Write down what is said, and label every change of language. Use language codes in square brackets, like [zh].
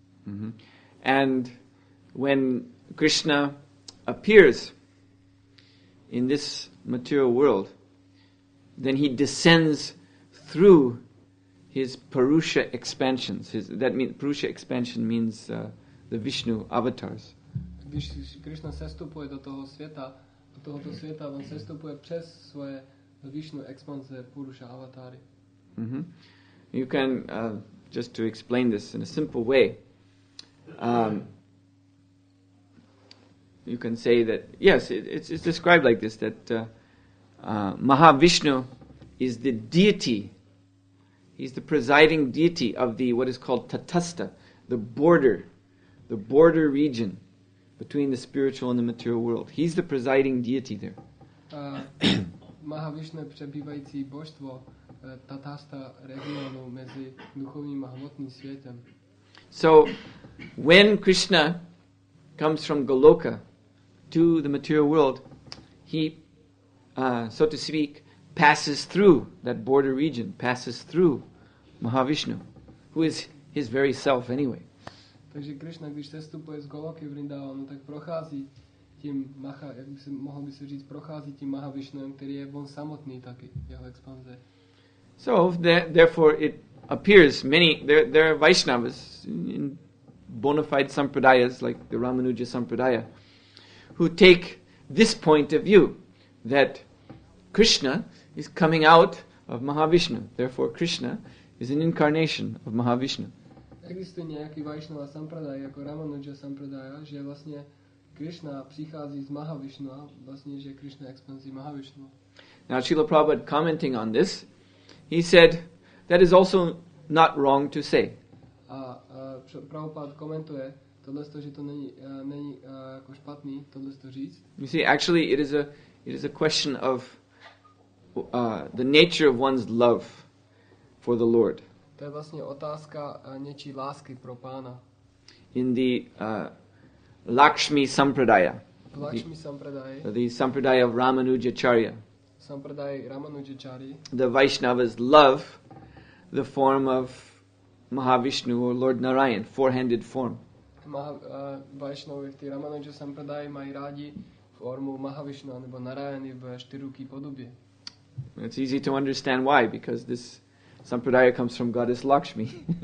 [en] Mm-hmm. And when Krishna appears in this material world, then he descends through his Purusha expansions. Purusha expansion means the Vishnu avatars. [cs] Když Krishna sestupuje do toho světa, do tohoto světa, on sestupuje přes svoje Vishnu expanse Purusha avatary. Mm-hmm. [en] You can, just to explain this in a simple way, you can say that, yes, it's described like this, that Mahavishnu is the deity. He's the presiding deity of the what is called Tatastha, the border region between the spiritual and the material world. He's the presiding deity there. [cs] Mahavishnu přebývající božstvo Tatastha regionu mezi duchovním a hmotným světem. [en] So when Krishna comes from Goloka to the material world, he so to speak passes through that border region, passes through Mahavishnu, who is his very self anyway. [cs] Takže Krishna, když sestupuje z Goloky v Vrindavanu, tak prochází tím Maha, jak by se mohl by se říct, prochází tím Mahavishnem, který je on samotný taky, jeho expanze. [en] So therefore it appears many there are Vaishnavas in bona fide sampradayas like the Ramanuja sampradaya who take this point of view that Krishna is coming out of Mahavishnu. Therefore Krishna is an incarnation of Mahavishnu. [cs] Existuje nějaký Vaishnava sampradaya jako Ramanuja sampradaya, že vlastně Krishna přichází z Mahavishnu, vlastně že Krishna expanzí Mahavishnu. [en] Now Srila Prabhupada commenting on this, he said that is also not wrong to say. [cs] A Prabhupada komentuje tohle, že to není jako špatný tohle říct. [en] You see, actually it is a question of the nature of one's love for the Lord. [cs] To je vlastně otázka něčí lásky pro pána. [en] In the Lakshmi Sampradaya. [cs] Lakshmi Sampradaya. [en] The Sampradaya of Ramanujacharya. [cs] Sampradaya Ramanujacharya. [en] The Vaishnavas love the form of Mahavishnu or Lord Narayan, four-handed form. [cs] Vaishnavi v té Ramanuja Sampradaya mají rádi formu Mahavishnu nebo Narayany v čtyřruký podobě. [en] It's easy to understand why, because this sampradaya comes from goddess Lakshmi.